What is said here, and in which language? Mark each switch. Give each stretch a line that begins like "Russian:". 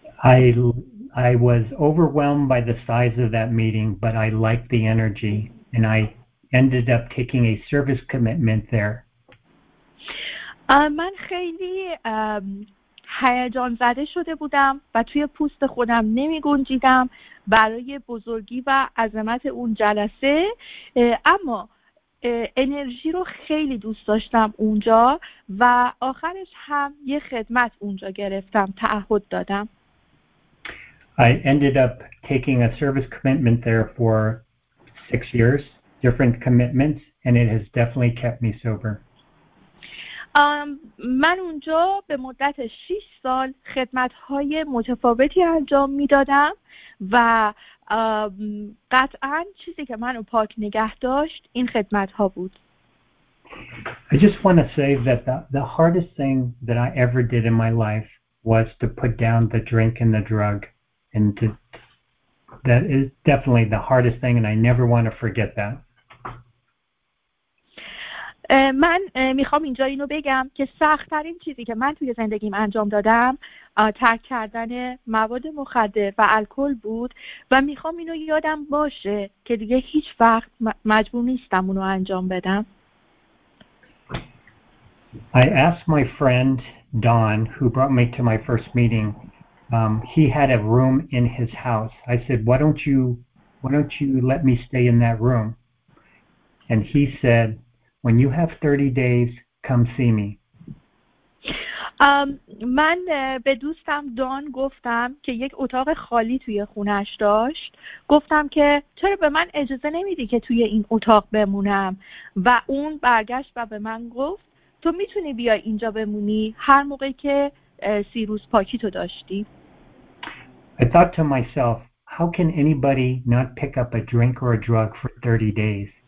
English: I was overwhelmed by the size of that meeting, but I liked the energy, and I ended up taking a service commitment there.
Persian: من خیلی هیجان زده شده بودم و توی پوست خودم نمی گنجیدم برای بزرگی و عظمت اون جلسه، اما انرژی رو خیلی دوست داشتم اونجا و آخرش هم یه خدمت اونجا گرفتم، تعهد دادم.
English: I ended up taking a service commitment there for 6 years, different commitments, and it has definitely kept me sober.
Persian: من اونجا به مدت 6 سال خدمت‌های متفاوتی انجام می‌دادم و قطعاً چیزی که منو پاک نگه داشت این خدمت‌ها بود.
English: I just want to say that the hardest thing that I ever did in my life was to put down the drink and the drug. And that is definitely the hardest thing, and I never want to forget that.
Persian: من میخوام اینجا اینو بگم که سخت‌ترین چیزی که من توی زندگیم انجام دادم ترک کردن مواد مخدر و الکل بود و میخوام اینو یادم باشه که دیگه هیچ وقت مجبور نیستم اونو انجام بدم.
English: I asked my friend Don, who brought me to my first meeting. He had a room in his house. I said, why don't you let me stay in that room? And he said, when you have 30 days, come see me.
Persian: من به دوستم دان گفتم که یک اتاق خالی توی خونش داشت. گفتم که چرا به من اجازه نمیدی که توی این اتاق بمونم؟ و اون برگشت و به من گفت تو میتونی بیای اینجا بمونی هر موقعی که 30 روز پاکی تو داشتی.
English: I thought to myself, how can anybody not pick up a drink or a drug for 30 days?